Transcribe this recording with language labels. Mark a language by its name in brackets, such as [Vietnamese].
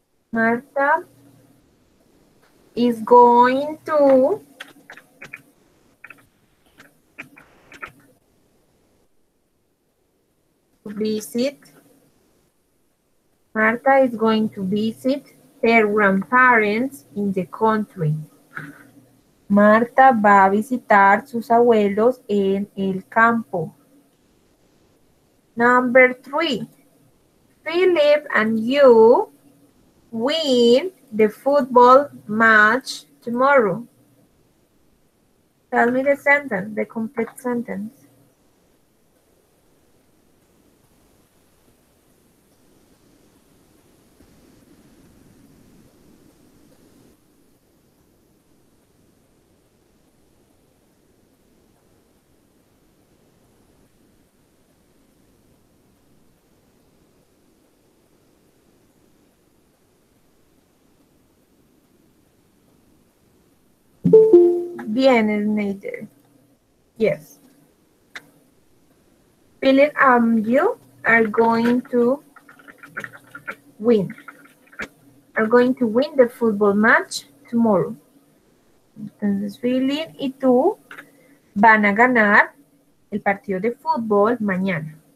[English] Marta is going to visit. Marta is going to visit her grandparents in the country. [Spanish] Marta va a visitar sus abuelos en el campo. [English] Number three, Philip and you win the football match tomorrow. Tell me the sentence, the complete sentence. [Spanish] Bien, Nader. Yes. [English] Philip and you are going to win the football match tomorrow. [Spanish] Entonces, Philip y tú van a ganar el partido de fútbol mañana.